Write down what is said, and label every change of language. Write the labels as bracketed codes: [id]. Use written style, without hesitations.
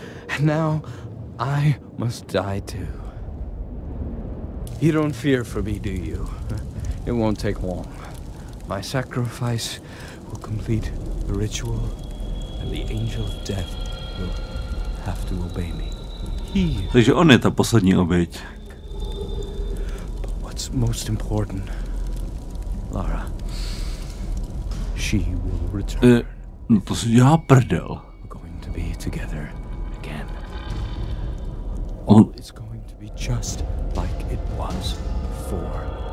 [en] And now I must die too. You don't fear for me, do you? It won't take long. My sacrifice will complete the ritual, and the angel of death will have to obey me. [cs] Takže on je ta poslední oběť. [en] But what's most important, Lara, she will return. [cs] No to si dělá prdel. [en] We're going to be together again. It's going to be just like it was before.